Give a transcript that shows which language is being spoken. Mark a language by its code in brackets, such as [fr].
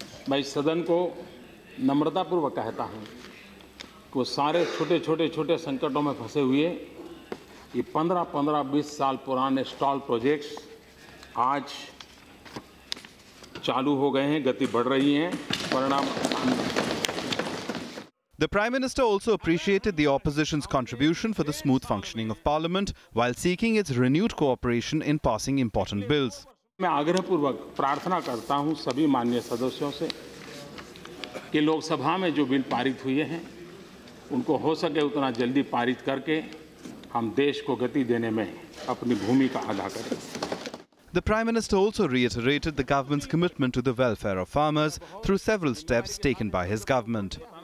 [hi] मैं इस सदन को नम्रतापूर्वक कहता हूं कि वो सारे छोटे-छोटे संकटों में फंसे हुए ये 15-20 साल पुराने स्टॉल प्रोजेक्ट्स आज चालू हो गए हैं, गति बढ़ रही है, परिणाम. [en] The Prime Minister also appreciated the opposition's contribution for the smooth functioning of Parliament while seeking its renewed cooperation in passing important bills. [hi] मैं आग्रहपूर्वक प्रार्थना करता हूं सभी माननीय सदस्यों से कि लोकसभा में जो बिल पारित हुए हैं उनको हो सके उतना जल्दी पारित करके हम देश को गति देने में अपनी भूमिका अदा करें. [en] The Prime Minister also reiterated the government's commitment to the welfare of farmers through several steps taken by his government.